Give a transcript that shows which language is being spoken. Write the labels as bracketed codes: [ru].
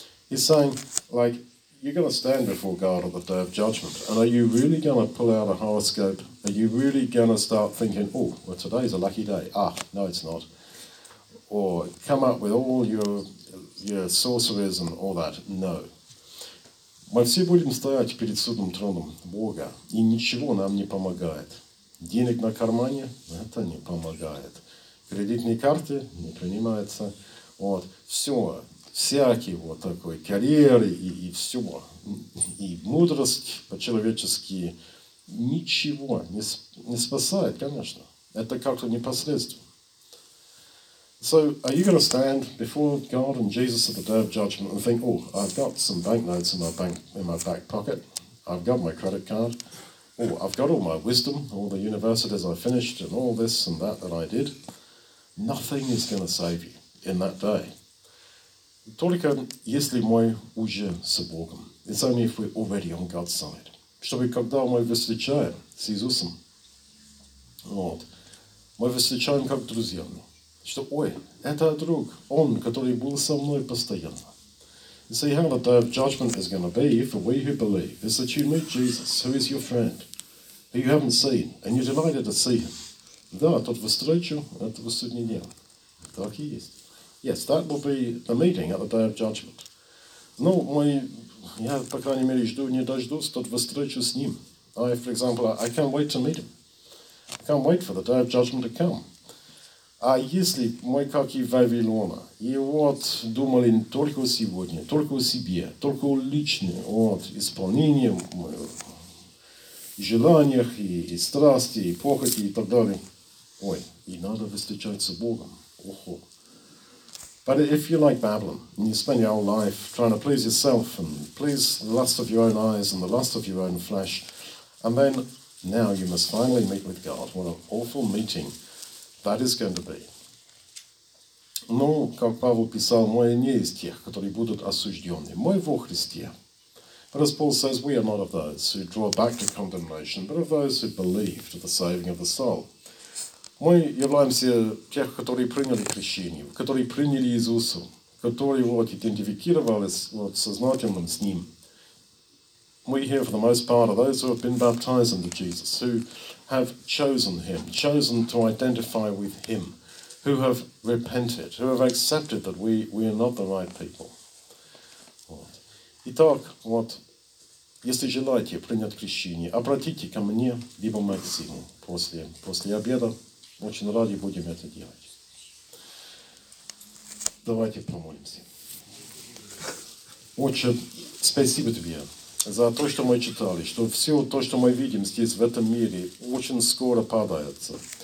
[en] He's saying, like, you're going to stand before God on the day of judgment. And are you really going to pull out a horoscope? Are you really going to start thinking, oh, well, today's a lucky day. No, it's not. Or come up with all your sorceries and all that. No. [ru] Мы все будем стоять перед судным троном Бога, и ничего нам не помогает. Денег на кармане – это не помогает. Кредитные карты – не принимается. Вот, все, всякие вот такой карьеры и все, и мудрость по-человечески – ничего не спасает, конечно. Это как-то непосредственно. [en] So, are you going to stand before God and Jesus at the day of judgment and think, oh, I've got some banknotes in my back pocket, I've got my credit card, oh, I've got all my wisdom, all the universities I finished, and all this and that I did? Nothing is going to save you in that day. [ru] Только если мы уже с Богом. [en] It's only if we're already on God's side. [ru] Чтобы когда мы встречаем с Иисусом, вот, мы встречаем как друзьями. Что, ой, это друг, он, который был со мной постоянно. [en] You see how the day of judgment is going to be for we who believe is that you meet Jesus, who is your friend, who you haven't seen, and you're delighted to see him. [ru] Да, тот встречу, этого судний день. Так и есть. [en] Yes, that will be the meeting at the day of judgment. [ru] Ну, мы Я, по крайней мере, жду, не дождусь тот встречу с ним. [en] I, for example, I can't wait to meet him. I can't wait for the day of judgment to come. [ru] А если мы, как и Вавилона, и вот думали только сегодня, только о себе, только о личном, вот, исполнении желаниях и страсти, и похоти, и так далее, ой, и надо встречаться с Богом. Ого. [en] But if you're like Babylon, and you spend your whole life trying to please yourself and please the lust of your own eyes and the lust of your own flesh, and then now you must finally meet with God. What an awful meeting that is going to be. [ru] Ну, как Павел писал, мы не из тех, которые будут осуждены. Мы во Христе. [en] But as Paul says, we are not of those who draw back to condemnation, but of those who believe to the saving of the soul. [ru] Мы являемся тех, которые приняли крещение, которые приняли Иисуса, которые вот идентифицировались вот сознательным с Ним. [en] We here, for the most part, are those who have been baptized into Jesus, who have chosen Him, chosen to identify with Him, who have repented, who have accepted that we are not the right people. [ru] Вот. Итак, вот, если желаете принять крещение, обратите ко мне, либо Максиму, после обеда. Очень рады будем это делать. Давайте помолимся. Отче, спасибо Тебе за то, что мы читали, что все то, что мы видим здесь, в этом мире, очень скоро падается.